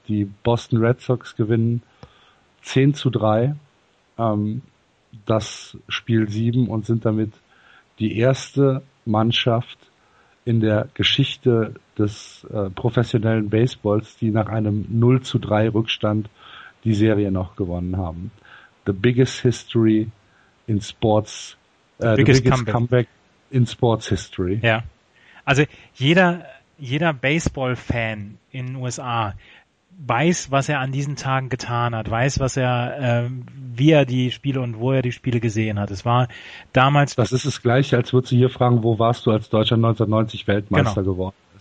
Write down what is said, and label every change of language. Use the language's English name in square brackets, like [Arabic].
[German] Die Boston Red Sox gewinnen 10-3 das Spiel 7 und sind damit die erste Mannschaft in der Geschichte des professionellen Baseballs, die nach einem 0-3 Rückstand die Serie noch gewonnen haben. [English] The biggest history in sports, the biggest comeback in sports history. [German] Ja. Also jeder Baseball-Fan in den USA weiß, was er an diesen Tagen getan hat, weiß, was er, wie er die Spiele und wo er die Spiele gesehen hat. Es war damals. Das ist das Gleiche, als würdest du hier fragen, wo warst du, als Deutschland 1990 Weltmeister geworden?